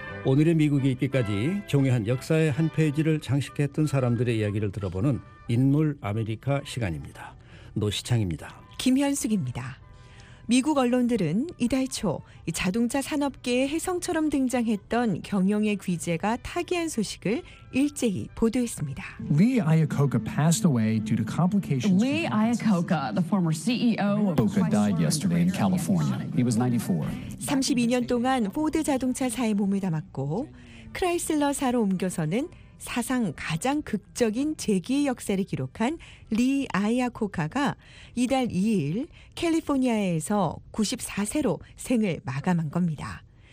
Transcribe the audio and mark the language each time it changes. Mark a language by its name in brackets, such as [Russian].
[Korean] 오늘의 미국에 있기까지 중요한 역사의 한 페이지를 장식했던 사람들의 이야기를 들어보는 인물 아메리카 시간입니다. 노시창입니다. 김현숙입니다. 미국 언론들은 이달 초 자동차 산업계의 혜성처럼 등장했던 경영의 귀재가 타계한 소식을 일제히 보도했습니다. [English] Lee Iacocca passed away due to complications. Lee Iacocca, the former CEO of Chrysler, died yesterday in California. He was 94. [Korean] 32년 동안 포드 자동차사에 몸을 담았고 크라이슬러사로 옮겨서는 사상 가장 극적인 재기의 역사를 기록한 리 아이아코카가 이달 2일 캘리포니아에서 94세로 생을 마감한 겁니다.